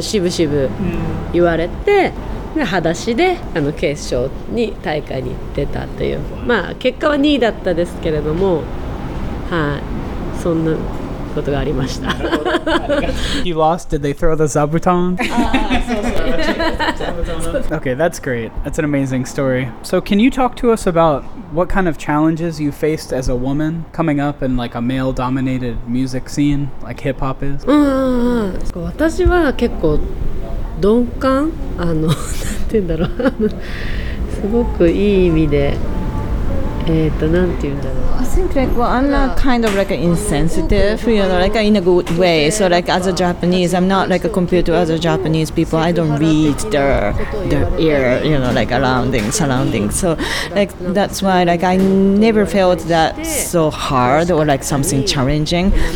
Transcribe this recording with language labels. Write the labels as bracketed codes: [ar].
[ja] So, で裸足で決勝に大会に出たという、まあ、結果は2位だったですけれども、はい、そんなことがありました。 [en] You lost. Did they throw the zabuton? Okay, that's great. That's an amazing story. So, can you talk to us about what kind of challenges you faced as a woman coming up in like a male-dominated music scene like hip hop is? [ja] 私は結構鈍感、なんて言うんだろう、すごくいい意味で、なんて言うんだろう。 [en] I think like, well, I'm not kind of like insensitive, you know, like in a good way. So like as a Japanese, I'm not like a compared to other Japanese people. I don't read their ear, you know, like surrounding. So like that's why like I never felt that so hard or like something challenging.